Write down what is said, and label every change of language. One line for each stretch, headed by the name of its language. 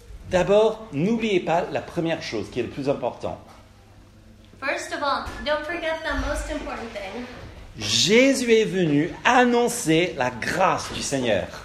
French: D'abord, n'oubliez pas la première chose qui est le plus important.
English: First of all, don't forget the most important thing.
French: Jésus est venu annoncer la grâce du Seigneur.